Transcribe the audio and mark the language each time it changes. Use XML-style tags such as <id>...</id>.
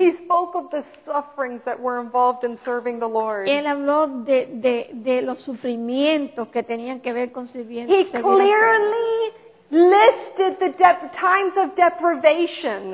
<en>He spoke of the sufferings that were involved in serving the Lord.</en> <es>Él habló de los sufrimientos que tenían que ver con sirviendo.</es> <en>He clearly listed the times of deprivation.</en>